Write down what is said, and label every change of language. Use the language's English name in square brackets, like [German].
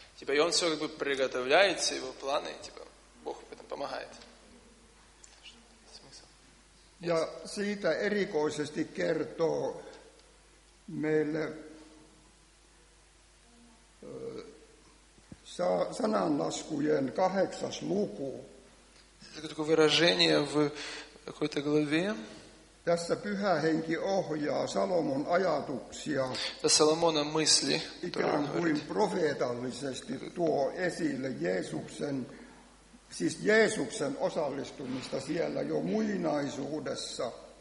[Russian] И он все как бы приготовляет все его планы, типа Бог в этом помогает. [Finnish] Ja siitä erikoisesti kertoo meille sananlaskujen 8. luku. [Russian] Это такое выражение в какой-то главе. [Finnish] Tässä Pyhä Henki ohjaa Salomon ajatuksia. Ja Salomonin mysli, ikään kuin profeetallisesti tuo esille Jeesuksen, siis Jeesuksen osallistumista siellä jo muinaisuudessa.